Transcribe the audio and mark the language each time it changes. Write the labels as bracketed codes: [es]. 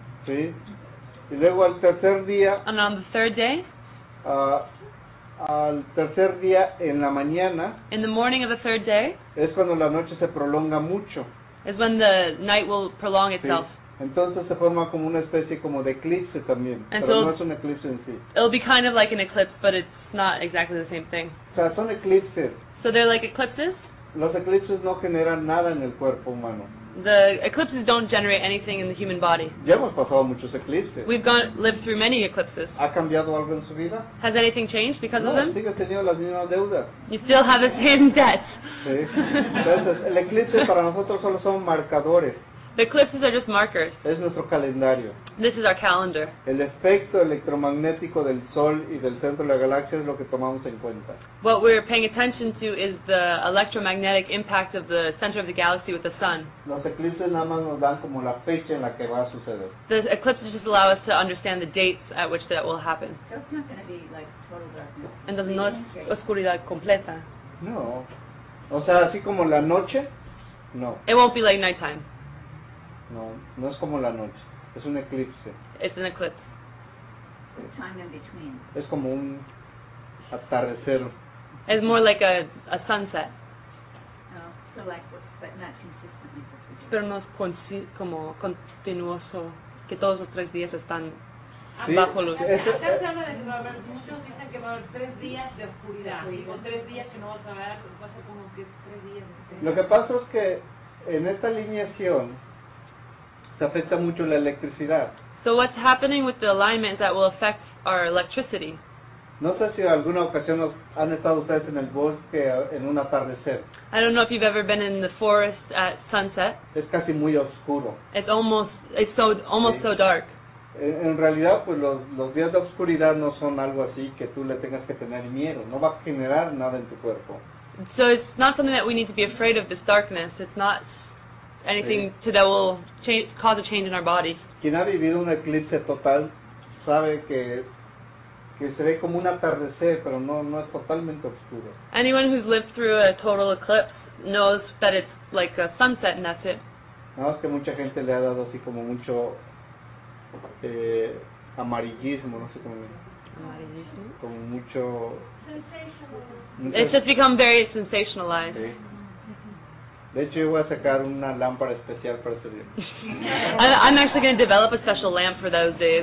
[es] Sí. Y luego al tercer día. [en] And on the third day. [es] Al tercer día en la mañana. [en] In the morning of the third day. [es] Es cuando la noche se prolonga mucho. [en] It's when the night will prolong itself. [es] Sí. Entonces se forma como una especie como de eclipse también, [en] and [es] pero [en] so [es] no es un eclipse en sí. [en] It'll be kind of like an eclipse, but it's not exactly the same thing. [es] O sea, son eclipses. [en] So they're like eclipses. [es] Los eclipses no generan nada en el cuerpo humano. [en] The eclipses don't generate anything in the human body. [es] Ya hemos pasado muchos eclipses. [en] We've gone lived through many eclipses. [es] ¿Ha cambiado algo en su vida? [en] Has anything changed because [es] no, [en] of them? [es] No, sigue teniendo las mismas deudas. [en] You still have the same debts. [es] Sí. Entonces, el eclipse para nosotros solo son marcadores. [en] The eclipses are just markers. [es] Es nuestro calendario. [en] This is our calendar. [es] El efecto electromagnético del sol y del centro de la galaxia es lo que tomamos en cuenta. [en] What we're paying attention to is the electromagnetic impact of the center of the galaxy with the sun. [es] Los eclipses nada más nos dan como la fecha en la que va a suceder. [en] The eclipses just allow us to understand the dates at which that will happen. So it's not going to be like total darkness. [es] Entonces no es oscuridad completa. No. O sea, así como la noche, no. [en] It won't be like nighttime. [es] No, no es como la noche. Es un eclipse. [en] It's an eclipse. Time in between. [es] Es como un atardecer. [en] It's more like a sunset. Oh, so like, but not consistently. [es] Pero no es como continuoso que todos los 3 días están sí, bajo luz. Muchos dicen que va a haber 3 días de oscuridad. Sí. O 3 días que no vas a ver, pasa como que 3 días. Lo que pasa es que en esta alineación se afecta mucho la electricidad. [en] So what's happening with the alignment that will affect our electricity? [es] No sé si alguna ocasión han estado ustedes en el bosque en un atardecer. [en] I don't know if you've ever been in the forest at sunset. [es] Es casi muy oscuro. [en] It's almost so dark. [es] En realidad, pues los días de oscuridad no son algo así que tú le tengas que tener miedo. No va a generar nada en tu cuerpo. [en] So it's not something that we need to be afraid of, this darkness. It's not anything to that will cause a change in our body. [es] Quien ha vivido un eclipse total sabe que se ve como un atardecer, pero no es totalmente oscuro. [en] Anyone who's lived through a total eclipse knows that it's like a sunset and that's it. [es] No, es que mucha gente le ha dado así como mucho amarillismo, no sé cómo. Amarillismo. Como mucho. [en] Sensationalized. It's just become very sensationalized. [es] Sí. De hecho, yo voy a sacar una lámpara especial para ese día. [en] I'm actually going to develop a special lamp for those days.